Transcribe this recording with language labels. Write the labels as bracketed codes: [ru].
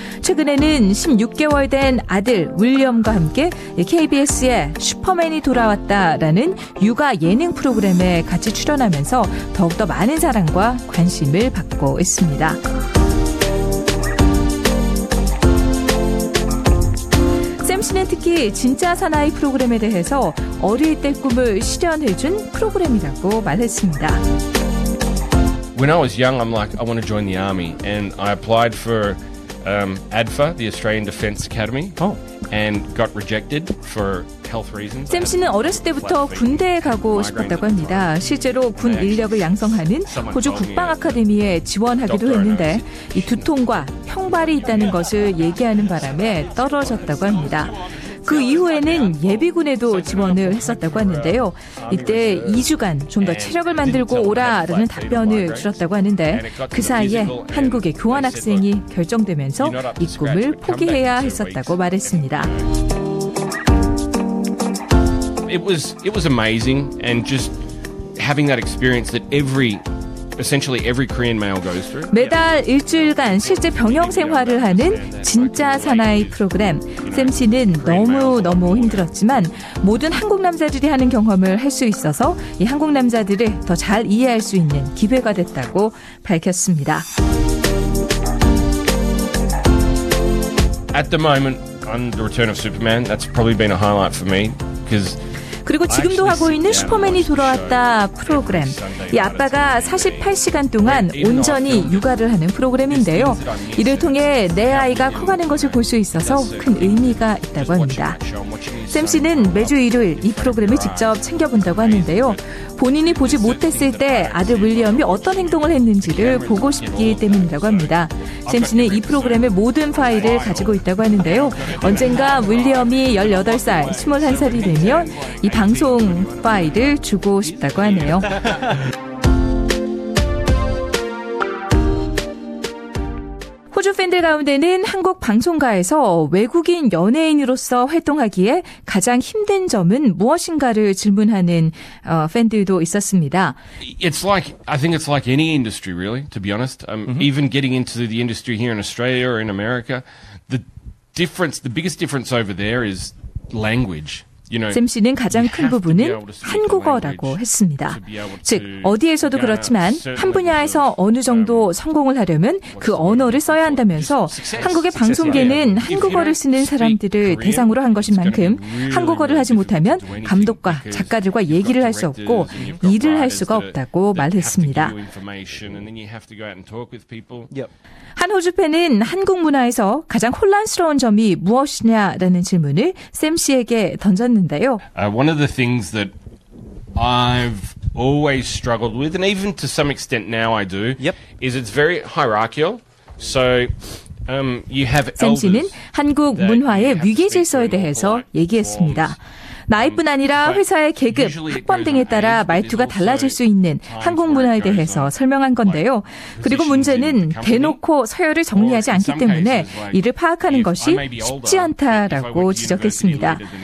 [ko] 최근에는 16개월 된 아들 윌리엄과 함께 KBS의 슈퍼맨이 돌아왔다라는 육아 예능 프로그램에 같이 출연하면서 더욱더 많은 사랑과 관심을 받고 있습니다. 샘씨는 특히 진짜 사나이 프로그램에 대해서 어릴 때 꿈을 실현해준 프로그램이라고 말했습니다. [en] When I was young, I'm like, I want to join the army. And I applied for ADFA, the Australian Defence Academy, and got rejected for [ko] 샘 씨는 어렸을 때부터 군대에 가고 싶었다고 합니다. 실제로 군 인력을 양성하는 호주 국방아카데미에 지원하기도 했는데 이 두통과 평발이 있다는 것을 얘기하는 바람에 떨어졌다고 합니다. 그 이후에는 예비군에도 지원을 했었다고 하는데요. 이때 2주간 좀 더 체력을 만들고 오라라는 답변을 주셨다고 하는데 그 사이에 한국의 교환학생이 결정되면서 이 꿈을 포기해야 했었다고 말했습니다. [en] It was amazing and just having that experience that every essentially every Korean male goes through. [ko] 매달 일주일간 실제 병영 생활을 하는 진짜 사나이 프로그램. 샘 씨는 너무 너무 힘들었지만 모든 한국 남자들이 하는 경험을 할 수 있어서 이 한국 남자들을 더 잘 이해할 수 있는 기회가 됐다고 밝혔습니다. [en] At the moment, on the Return of Superman, that's probably been a highlight for me because. [ko] 그리고 지금도 하고 있는 슈퍼맨이 돌아왔다 프로그램. 이 아빠가 48시간 동안 온전히 육아를 하는 프로그램인데요. 이를 통해 내 아이가 커가는 것을 볼 수 있어서 큰 의미가 있다고 합니다. 샘 씨는 매주 일요일 이 프로그램을 직접 챙겨본다고 하는데요. 본인이 보지 못했을 때 아들 윌리엄이 어떤 행동을 했는지를 보고 싶기 때문이라고 합니다. 샘 씨는 이 프로그램의 모든 파일을 가지고 있다고 하는데요. 언젠가 윌리엄이 18살, 21살이 되면 이 방송 파일을 주고 싶다고 하네요. 호주 팬들 가운데는 한국 방송가에서 외국인 연예인으로서 활동하기에 가장 힘든 점은 무엇인가를 질문하는 팬들도 있었습니다. [en] It's like I think it's like any industry really to be honest. Even getting into the industry here in Australia or in America, the biggest difference over there is language. [ko] 샘 씨는 가장 큰 부분은 한국어라고 했습니다. 즉, 어디에서도 그렇지만 한 분야에서 어느 정도 성공을 하려면 그 언어를 써야 한다면서 한국의 방송계는 한국어를 쓰는 사람들을 대상으로 한 것인 만큼 한국어를 하지 못하면 감독과 작가들과 얘기를 할 수 없고 일을 할 수가 없다고 말했습니다. 한 호주 팬은 한국 문화에서 가장 혼란스러운 점이 무엇이냐라는 질문을 샘 씨에게 던졌는데 [en] One of the things that I've always struggled with, and even to some extent now I do, is it's very hierarchical. So You have elders. [ko] 샘 씨는 한국 문화의 위계 질서에 대해서 얘기했습니다. 나이뿐 아니라 회사의 계급, 학번 등에 따라 말투가 달라질 수 있는 한국 문화에 대해서 설명한 건데요. 그리고 문제는 대놓고 서열을 정리하지 않기 때문에 이를 파악하는 것이 쉽지 않다라고 지적했습니다.